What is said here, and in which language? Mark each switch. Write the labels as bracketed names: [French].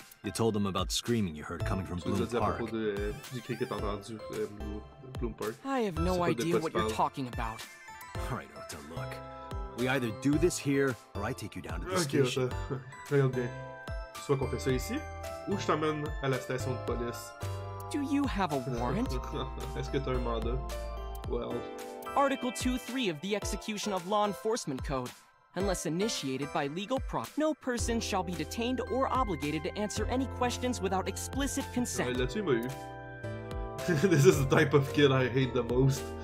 [English] You told them about screaming you heard coming from Bloom Park. [French] À propos du cri que t'as entendu Bloom Park. [English] I have no idea what you're talking about. All right, Ota, look. We either do this here, or I take you down to the [French] station. Ok, regarde bien. Soit qu'on fait ça ici, ou je t'emmène à la station de police. [English] Do you have a warrant? [French] Est-ce que t'as un mandat? [English] Well... Article 2.3 of the Execution of Law Enforcement Code. Unless initiated by legal no person shall be detained or obligated to answer any questions without explicit consent. [French] Ouais, là-dessus, il m'a eu. [English] This is the type of kid I hate the most.